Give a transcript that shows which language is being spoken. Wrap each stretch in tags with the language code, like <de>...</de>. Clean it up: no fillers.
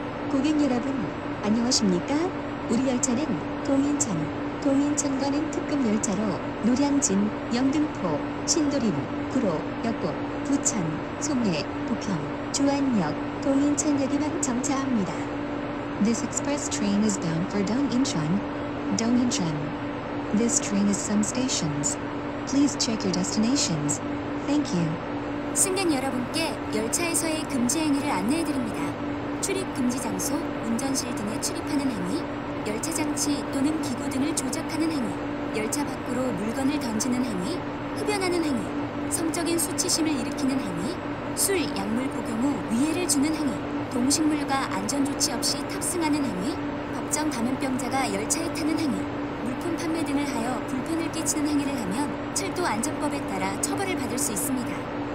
<ko>고객 여러분, 안녕하십니까? 우리 열차는 동인천, 동인천 가는 특급 열차로 노량진, 영등포, 신도림, 구로, 역보, 부천, 송내, 부평, 주안역, 동인천역에만 정차합니다.</ko> <en>This express train is bound for Dongincheon. Dongincheon. This train has some stations. Please check your destinations. Thank you.</en> <ko>승객 여러분께 열차에서의 금지 행위를 안내해드립니다. 출입 금지 장소, 운전실 등에 출입하는 행위, 열차 장치 또는 기구 등을 조작하는 행위, 열차 밖으로 물건을 던지는 행위, 흡연하는 행위, 성적인 수치심을 일으키는 행위, 술, 약물 복용 후 위해를 주는 행위, 동식물과 안전조치 없이 탑승하는 행위, 법정 감염병자가 열차에 타는 행위, 물품 판매 등을 하여 불편을 끼치는 행위를 하면 철도안전법에 따라 처벌을 받을 수 있습니다.</ko>